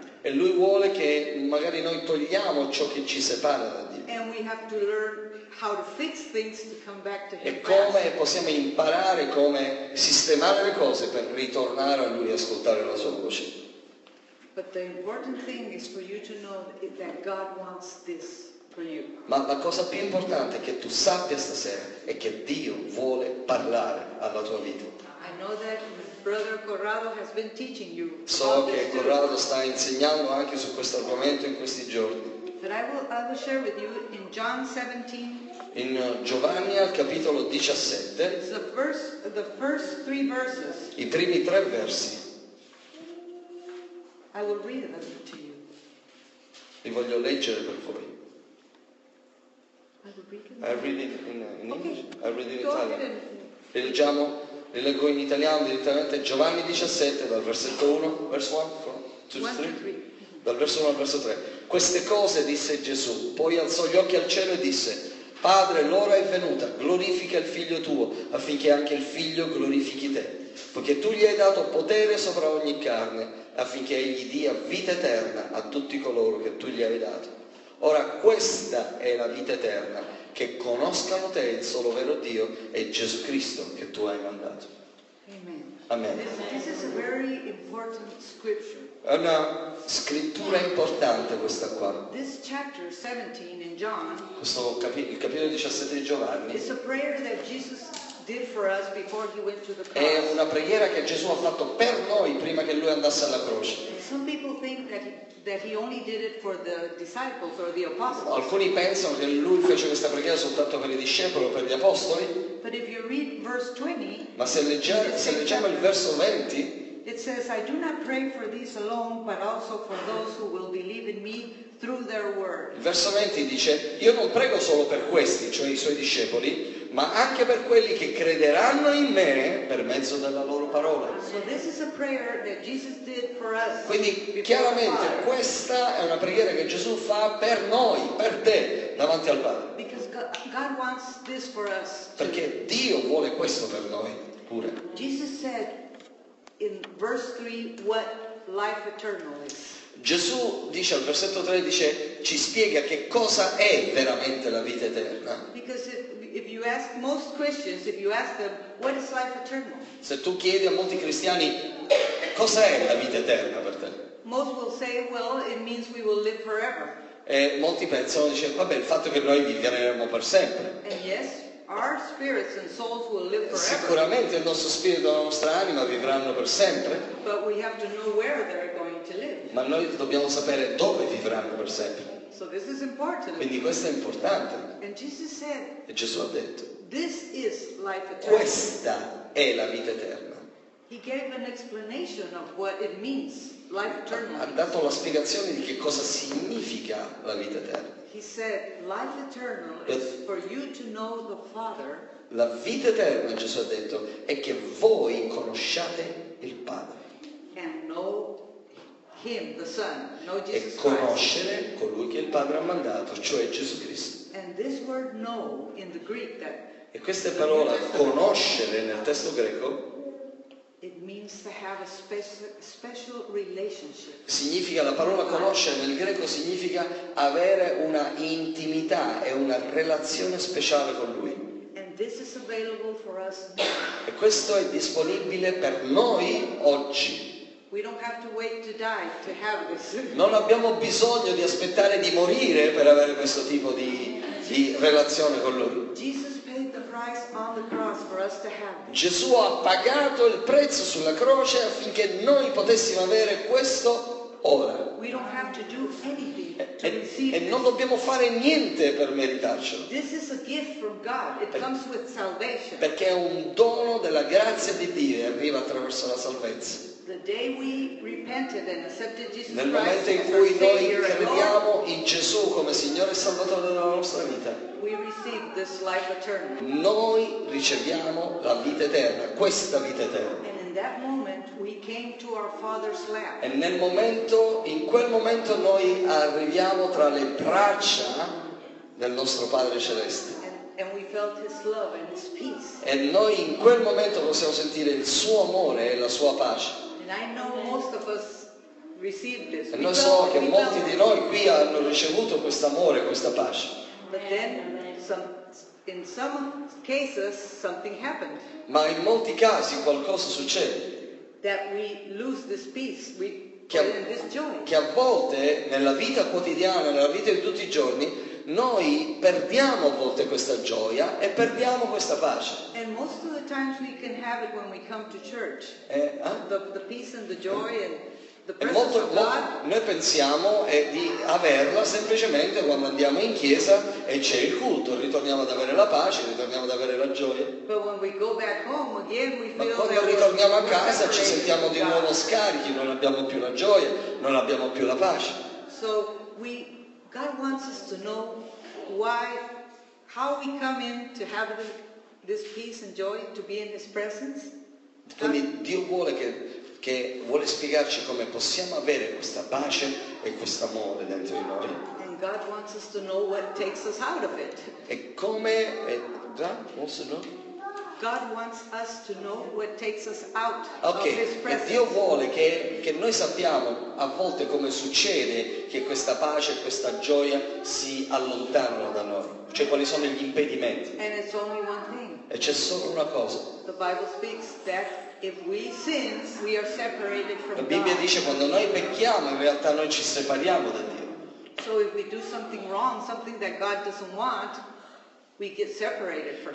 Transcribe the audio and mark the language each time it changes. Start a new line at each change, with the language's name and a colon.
Italian: E lui vuole che magari noi togliamo ciò che ci separa da Dio.
English: And we have to learn how to fix things to come back to him.
Italian: E come possiamo imparare come sistemare le cose per ritornare a lui e ascoltare la sua voce.
English: But the important thing is for you to know that God wants this.
Italian: Ma la cosa più importante che tu sappia stasera è che Dio vuole parlare alla tua vita.
English: I know that Brother Corrado has been teaching you.
Italian: So che Corrado sta insegnando anche su questo argomento in questi giorni.
English: But I will share with you in John 17.
Italian: In Giovanni al capitolo 17.
English: It's the first three verses.
Italian: I primi tre versi.
English: I will read them to you.
Italian: Li voglio leggere per voi.
English: I read it in English. Okay. I read it in Go Italian.
Italian: Leggiamo Le leggo in italiano direttamente, Giovanni 17, dal versetto 1, verso 1, 2, 3, dal verso 1 al verso 3. Queste cose disse Gesù, poi alzò gli occhi al cielo e disse, Padre, l'ora è venuta, glorifica il figlio tuo, affinché anche il figlio glorifichi te. Poiché tu gli hai dato potere sopra ogni carne, affinché egli dia vita eterna a tutti coloro che tu gli hai dato. Ora questa è la vita eterna, che conoscano te il solo vero Dio e Gesù Cristo che tu hai mandato. Amen. Amen.
English: This is a very important scripture.
Italian: È una scrittura importante questa qua.
English: This chapter 17 in John,
Italian: questo il capitolo 17 di Giovanni,
English: is a prayer that Jesus did for us before he went to the cross.
Italian: È una preghiera che Gesù ha fatto per noi prima che lui andasse alla croce.
English: Some people think that he only did it for the disciples or the apostles.
Italian: Alcuni pensano che lui fece questa preghiera soltanto per i discepoli o per gli apostoli.
English: But if you read verse 20,
Italian: ma se leggiamo il verso 20,
English: it says, I do not pray for these alone, but also for those who will believe in me through their word.
Italian: Il verso 20 dice, io non prego solo per questi, cioè i suoi discepoli, ma anche per quelli che crederanno in me per mezzo della loro parola.
English: So this is a prayer that Jesus did for us.
Italian: Quindi chiaramente questa è una preghiera che Gesù fa per noi, per te, davanti al Padre.
English: Because God wants this for us.
Italian: Perché Dio vuole questo per noi pure.
English: Jesus said in verse 3 what life eternal is.
Italian: Gesù dice al versetto 3, dice, ci spiega che cosa è veramente la vita eterna.
English: Because if you ask most Christians, if you ask them, what is life eternal?
Italian: Se tu chiedi a molti cristiani, cosa è la vita eterna per te?
English: Most will say, well, it means we will live forever.
Italian: E molti pensano, dice, vabbè, il fatto che noi vivremo per sempre.
English: And yes, our spirits and souls will live forever.
Italian: Sicuramente il nostro spirito e la nostra anima vivranno per sempre.
English: But we have to know where they're going to live.
Italian: Ma noi dobbiamo sapere dove vivranno per sempre.
English: So this is important.
Italian: Quindi questo è importante.
English: And Jesus said,
Italian: e Gesù ha detto,
English: this is life eternal.
Italian: Questa è la vita eterna.
English: He gave an explanation of what it means, life eternal.
Italian: Ha dato la spiegazione di che cosa significa la vita eterna.
English: He said, life eternal is for you to know the Father.
Italian: La vita eterna, Gesù ha detto, è che voi conosciate il Padre.
English: And know him, the Son, know Jesus
Italian: e conoscere
English: Christ.
Italian: Colui che il Padre ha mandato, cioè Gesù Cristo.
English: And this word know in the Greek that
Italian: e questa parola conoscere nel testo greco,
English: it means to have a special relationship.
Italian: Significa, la parola conoscere nel greco significa avere una intimità e una relazione speciale con lui.
English: And this is available for us now.
Italian: E questo è disponibile per noi oggi.
English: We don't have to wait to die to have this.
Italian: Non abbiamo bisogno di aspettare di morire per avere questo tipo di relazione con lui.
English: Jesus paid the price on the cross for us to have this.
Italian: Gesù ha pagato il prezzo sulla croce affinché noi potessimo avere questo ora.
English: We don't have to do anything to receive
Italian: e non dobbiamo fare niente per meritarcelo.
English: This is a gift from God. It comes with salvation.
Italian: Perché è un dono della grazia di Dio e arriva attraverso la salvezza.
English: The day we repented and accepted Jesus
Italian: nel momento in cui noi crediamo in Gesù come Signore e Salvatore della nostra vita,
English: we receive this life eternal.
Italian: Noi riceviamo la vita eterna, questa vita eterna.
English: And in that moment we came to our Father's lap.
Italian: E nel momento, in quel momento noi arriviamo tra le braccia del nostro Padre Celeste.
English: And we felt his love and his peace.
Italian: E noi in quel momento possiamo sentire il suo amore e la sua pace.
English: I know most of us received this.
Italian: E noi so che molti di noi qui hanno ricevuto questo amore, questa pace.
English: But then, in some cases, something happened.
Italian: Ma in molti casi qualcosa succede.
English: That we lose this peace, we put in this joy.
Italian: Che a volte nella vita quotidiana, nella vita di tutti i giorni, noi perdiamo a volte questa gioia e perdiamo questa pace.
English: And most of the times we can have it when we come to church. The peace and the joy and the presence
Italian: molto,
English: of God.
Italian: Noi pensiamo di averla semplicemente quando andiamo in chiesa e c'è il culto, ritorniamo ad avere la pace, ritorniamo ad avere la gioia.
English: But when we go back home again, we feel
Italian: ma quando ritorniamo a casa ci sentiamo di nuovo scarichi, non abbiamo più la gioia, non abbiamo più la pace.
English: So we God wants us to know why, how we come in to have the this peace and joy to be in his presence.
Italian: Quindi Dio vuole che vuole spiegarci come possiamo avere questa pace e questo amore dentro di noi.
English: And God wants us to know what takes us out of it.
Italian: E come
English: God wants to know? God wants us to know what takes us out okay. of his presence.
Italian: E Dio vuole che noi sappiamo a volte come succede che questa pace e questa gioia si allontanano da noi. Cioè quali sono gli impedimenti?
English: And it's only one thing.
Italian: E c'è solo una cosa.
English: The Bible speaks that if we sin, we are separated from God.
Italian: La Bibbia dice quando noi pecchiamo in realtà noi ci separiamo da Dio.
English: So if we do something wrong, something that God doesn't want, we get separated from